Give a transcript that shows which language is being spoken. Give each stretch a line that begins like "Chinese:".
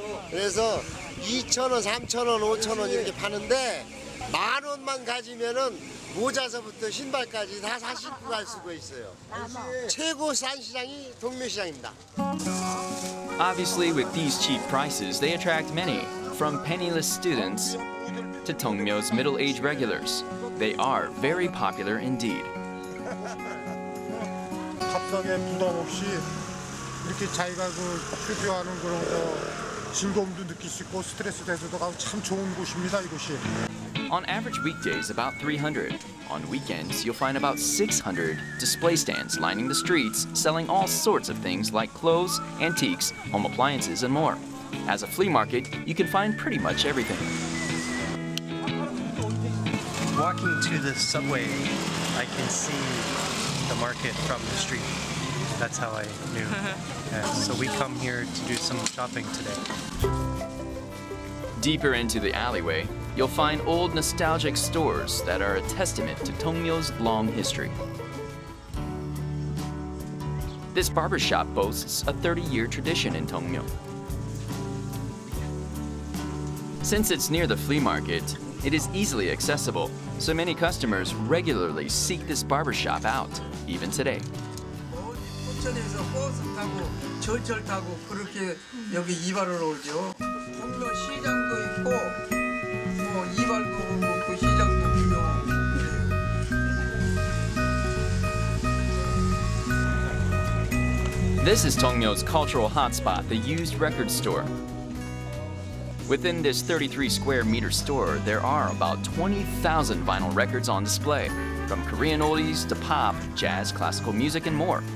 Korean: 그래서 2,000원, 3,000원, 5,000원 이렇게 파는데 만 원만 가지면은 모자서부터 신발까지 다 사 신고 갈 수가 있어요. 최고 싼 시장이 동묘 시장입니다.
English: Obviously, with these cheap prices, they attract many, from penniless students to Tongmyo's middle-aged regulars. They are very popular indeed.
Korean: 갑상에 부담 없이 이렇게 자기가 그 급여하는 그런 거 즐거움도 느낄 수 있고 스트레스 대소도 가고 참 좋은 곳입니다 이곳이.
English: On average weekdays, about 300. On weekends, you'll find about 600 display stands lining the streets, selling all sorts of things like clothes, antiques, home appliances, and more. As a flea market, you can find pretty much everything. Walking to the subway, I can see the market from the street. That's how I knew. And so we come here to do some shopping today. Deeper into the alleyway, you'll find old nostalgic stores that are a testament to Tongmyo's long history. This barbershop boasts a 30-year tradition in Tongmyo. Since it's near the flea market, it is easily accessible, so many customers regularly seek this barbershop out, even today.
Korean: 포천에서 버스 타고 전철 타고 그렇게 여기 이발을 오죠. 동묘 시장도 있고 뭐 이발도 있고 그 시장도 있고. 네.
English: This is Tongmyo's cultural hotspot, the used record store. Within this 33 square meter store, there are about 20,000 vinyl records on display. From Korean oldies to pop, jazz, classical music, and more.